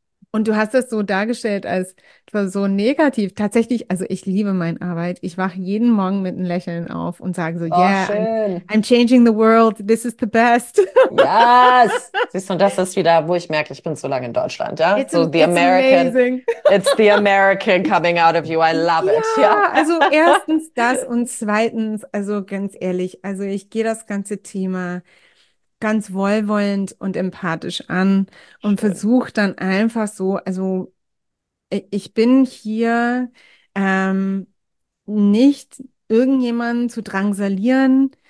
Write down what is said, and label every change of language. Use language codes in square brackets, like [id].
[de] Und du hast das so dargestellt, als war so negativ. Tatsächlich, also ich liebe meine Arbeit. Ich wache jeden Morgen mit einem Lächeln auf und sage so, Oh, [en] yeah, [de] schön. [en] I'm changing the world. This is the best. Yes. [de] Siehst du, das ist wieder, wo ich merke, ich bin so lange in Deutschland, ja? [en] So the American, Amazing. it's the American coming out of you. I love it, ja. [de] Ja, also erstens das und zweitens, also ganz ehrlich, also ich gehe das ganze Thema ganz wohlwollend und empathisch an und versuche dann einfach so, also ich bin hier nicht irgendjemanden zu drangsalieren.